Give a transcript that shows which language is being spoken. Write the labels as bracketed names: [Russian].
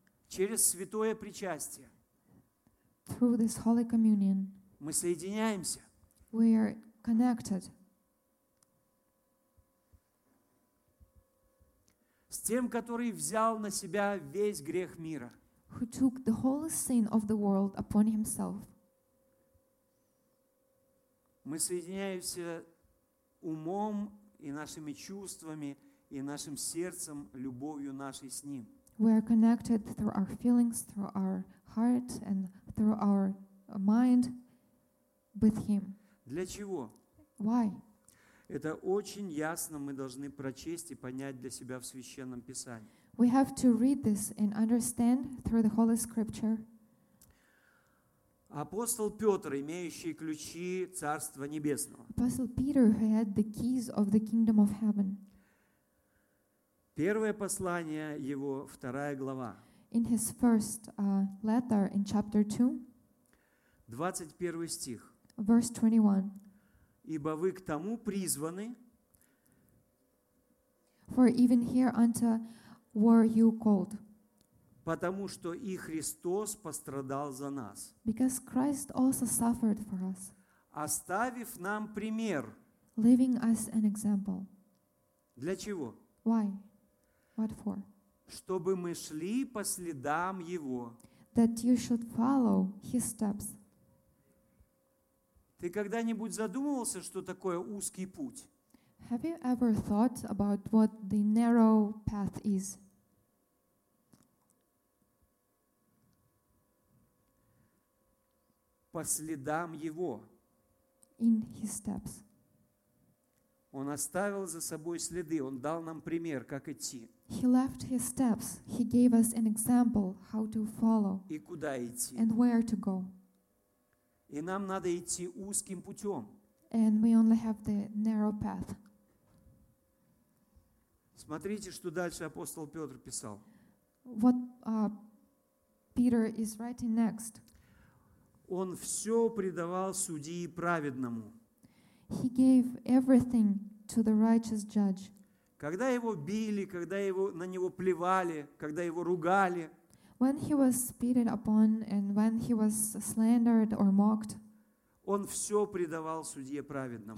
[Russian] Через святое причастие. [English] Through this holy communion. [Russian] Мы соединяемся. [English] We are connected. [Russian] С тем, который взял на себя весь грех мира. [English] Who took the whole sin of the world upon himself. [Russian] Мы соединяемся умом и нашими чувствами и нашим сердцем, любовью нашей с ним. [English] We are connected through our feelings, through our heart, and through our mind with Him. [Russian] Для чего? [English] Why? [Russian] Это очень ясно мы должны прочесть и понять для себя в Священном Писании. [English] We have to read this and understand through the Holy Scripture. [Russian] Апостол Петр, имеющий ключи Царства Небесного. [English] Apostle Peter, who had the keys of the kingdom of heaven. [Russian] Первое послание его, вторая глава. [English] In his first letter, in chapter 2, [Russian] 21 стих. [English] Verse 21. [Russian] Ибо вы к тому призваны, [English] for even here unto were you called, [Russian] потому что и Христос пострадал за нас, [English] because Christ also suffered for us, [Russian] оставив нам пример, [English] leaving us an example. [Russian] Для чего? [English] Why? What for? [Russian] Чтобы мы шли по следам Его. [English] That you should follow His steps. [Russian] Ты когда-нибудь задумывался, что такое узкий путь? [English] Have you ever thought about what the narrow path is? [Russian] По следам Его. [English] In His steps. [Russian] Он оставил за собой следы, Он дал нам пример, как идти. [English] He left his steps. He gave us an example how to follow and where to go. [Russian] И нам надо идти узким путем. [English] And we only have the narrow path. [Russian] Смотрите, что дальше апостол Петр писал. [English] What Peter is writing next. [Russian] Он все предавал судии праведному. [English] He gave everything to the righteous judge. [Russian] Когда его били, когда его, на него плевали, когда его ругали. [English] When he was spitted upon and when he was slandered or mocked. [Russian] Он все предавал судье праведному.